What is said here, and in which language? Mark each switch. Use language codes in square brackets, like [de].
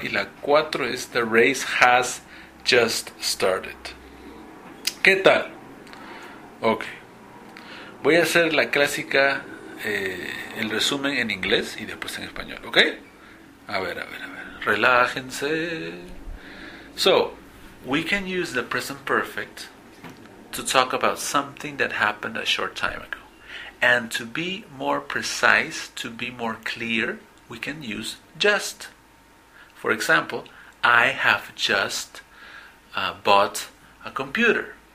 [es] Y la 4 es [en] the race has just started. [es] ¿Qué tal? Ok. Voy a hacer la clásica, el resumen en inglés y después en español. ¿Ok? A ver, a ver, a ver. Relájense. [en] So, we can use the present perfect to talk about something that happened a short time ago. And to be more precise, to be more clear, we can use just. For example, I have just bought a computer.